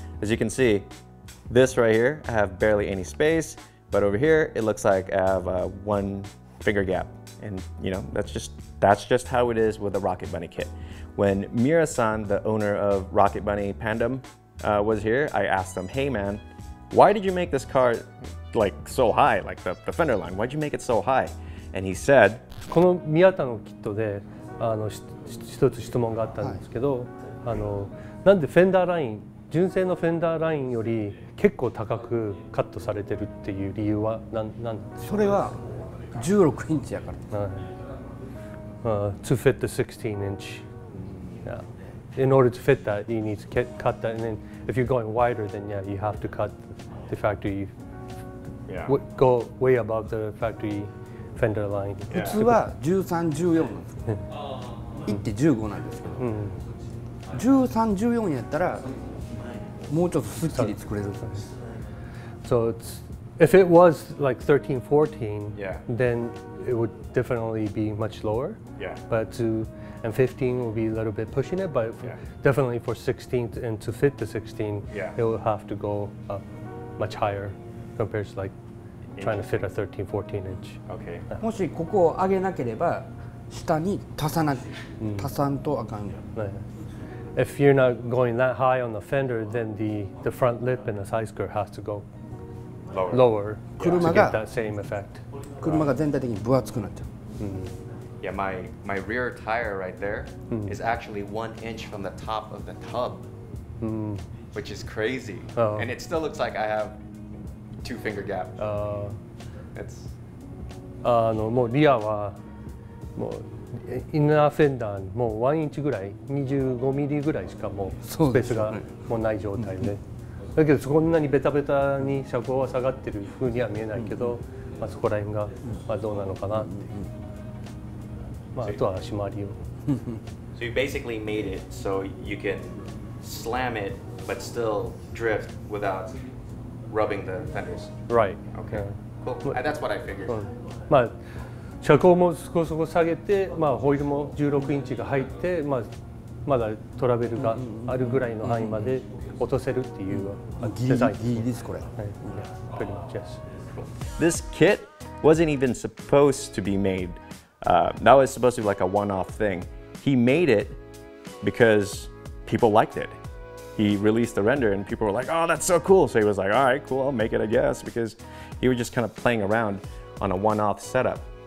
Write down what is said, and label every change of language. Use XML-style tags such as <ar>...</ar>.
<en>As you can see, this right here, I have barely any space, but over here, it looks like I have a one finger gap. And you know, that's just how it is with the Rocket Bunny kit. When Mira-san, the owner of Rocket Bunny Pandem, was here, I asked him, hey man, why did you make this car like so high, like the fender line? Why'd you make it so high? And he said,</en> <ja>この Miata のキットで、あの、一つ質問があったんですけど、あの、なんでフェンダーライン、純正のフェンダーラインより結構高くカットされてるっていう理由は何なんでしょう？それは16インチやから。はい。</ja> <en>To fit the 16 inch. Yeah. In order to fit that, you need to cut that. And then if you're going wider, then yeah, you have to cut the factory. Yeah. Go way above the factory. フェンダーライン</en> <ja>普通は13、14なんですよ。 1って15なんですけど、13、14やったらもうちょっとスッキリ作れるんです。</ja> <en>So it's, if it was like 13, 14, then it would definitely be much lower. But to, and 15 would be a little bit pushing it, but definitely for 16 and to fit the 16, it would have to go up much higher compared to like. Trying to fit a 13, 14 inch. Okay.</en> <ja>もしここを上げなければ下に足さな、足さんとあかん。</ja> <en>If you're not going that high on the fender, then the front lip and the side skirt has to go lower to get that same effect.</en> <ja>車が全体的に分厚くなっちゃう。</ja> <en>Yeah, my rear tire right there is actually 1 inch from the top of the tub, which is crazy. And it still looks like I have. Two finger gap.</en> <ja>もうリアはもうインナーフェンダーもう1インチぐらい、25ミリぐらいしかもうスペースがもうない状態で。だけどこんなにベタベタに車高は下がってる風には見えないけど、まあそこら辺がまあどうなのかなっていう。まああとは足回りを。</ja> <en>So you basically made it so you can slam it but still drift without. Rubbing the fenders. Right. Okay. Cool. That's what I figured.</en> <ja>まあ車高もそこそこ下げて、まあホイールも16インチが入って、まあまだトラベルがあるぐらいの範囲まで落とせるっていうデザイン。ギリですこれ。</ja> <en>Pretty much, yes. This kit wasn't even supposed to be made. That was supposed to be like a one-off thing. He made it because people liked it. He released the render and people were like, oh, that's so cool. So he was like, all right, cool, I'll make it, I guess, because he was just kind of playing around on a one-off setup.</en>